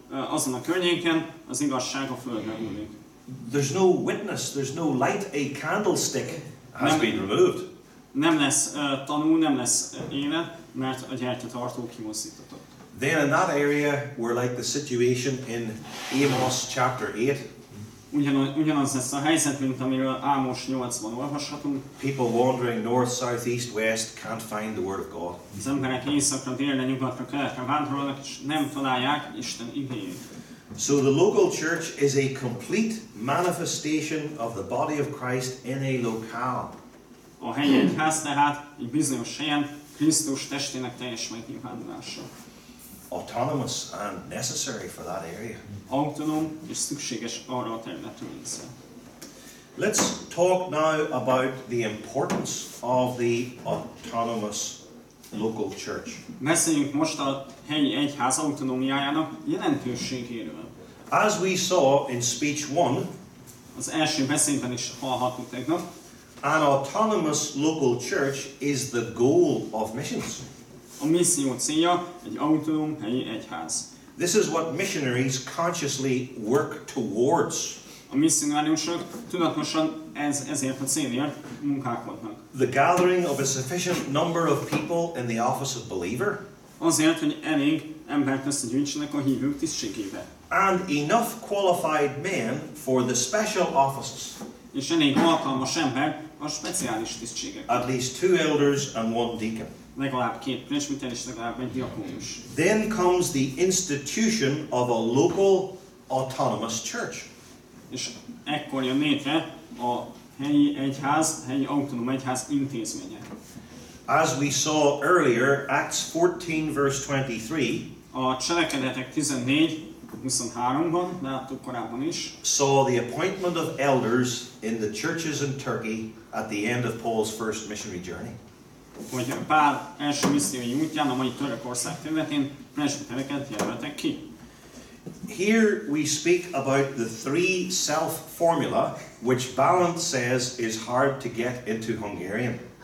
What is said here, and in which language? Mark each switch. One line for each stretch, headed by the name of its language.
Hungarian: Azon a környéken az igazság a földre múlik.
English: There's no witness, there's no light, a candlestick has been removed.
Hungarian: Nem lesz tanú, nem lesz élet, mert a gyertyatartó kimozdítottak.
English: Then in that area we're like the situation in Amos chapter 8.
Hungarian: Ugyanaz lesz a helyzet, mint amiről Ámos 8-ban olvashatunk.
English: People wandering north, south, east, west can't find the word of God.
Hungarian: Az emberek éjszakra, délre, nyugatra, keletre vándorolnak, és nem találják Isten igényét.
English: So the local church is a complete manifestation of the body of Christ in a locale.
Hungarian: A helyi egyház tehát egy bizonyos helyen Krisztus testének teljes megnyilvánulása.
English: Autonomous and necessary for that area.
Hungarian: Autonóm és szükséges arra a területre.
English: Let's talk now about the importance of the autonomous local church.
Hungarian: Beszéljünk most a helyi egyház autonómiájának jelentőségéről.
English: As we saw in speech 1,
Hungarian: az első beszédben is hallhattuk tegnap,
English: an autonomous local church is the goal of missions.
Hungarian: A misszió célja egy autonóm helyi egyház.
English: This is what missionaries consciously work towards.
Hungarian: A misszionáriusok tudatosan ezért a célért munkálkodnak.
English: The gathering of a sufficient number of people in the office of believer.
Hungarian: Azért, hogy elég embert összegyűjtsenek a hívők tisztségébe.
English: And enough qualified men for the special offices.
Hungarian: És elég alkalmas ember a speciális tisztségekre.
English: At least two elders and one deacon.
Hungarian: Legalább két presbiter és legalább egy diakónus.
English: Then comes the institution of a local autonomous church.
Hungarian: És ekkor jön létre a helyi egyház, helyi autonóm egyház intézménye.
English: As we saw earlier, Acts 14 verse 23.
Hungarian: A Cselekedetek 14 23-ban, láttuk korábban is.
English: Saw the appointment of elders in the churches in Turkey at the end of Paul's first missionary journey.
Hungarian: Hogy Pál első missziói útján a mai Törökország területén presbitereket jelöltek ki.
English: Here we speak about the three self formula, which Bálint says is hard to get into Hungarian.